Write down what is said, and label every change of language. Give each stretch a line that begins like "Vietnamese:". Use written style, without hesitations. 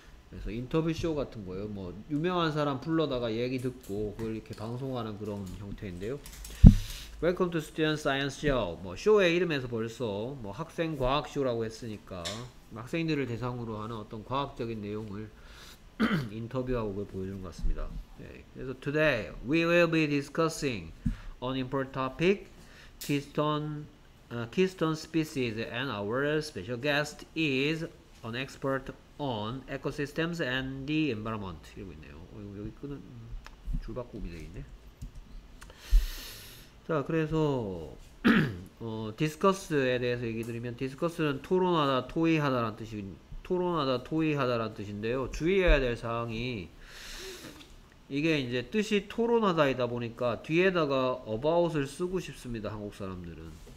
Korean: 그래서 인터뷰 쇼 같은 거예요. 뭐 유명한 사람 불러다가 얘기 듣고 그걸 이렇게 방송하는 그런 형태인데요.
English: Welcome to Student Science Show.
Korean: 뭐 쇼의 이름에서 벌써 뭐 학생 과학 쇼라고 했으니까. 학생들을 대상으로 하는 어떤 과학적인 내용을 인터뷰하고 그걸 보여주는 것 같습니다. 네.
English: 그래서 today we will be discussing an important topic, Keystone species, and our special guest is an expert on ecosystems and the environment.
Korean: 이러고 있네요. 여기 끄는 줄바꿈이 되어 있네. 자, 그래서 디스커스에 대해서 얘기 드리면, 디스커스는 토론하다, 토의하다란 뜻이, 토론하다, 토의하다란 뜻인데요. 주의해야 될 사항이, 이게 이제 뜻이 토론하다이다 보니까 뒤에다가 about을 쓰고 싶습니다, 한국 사람들은.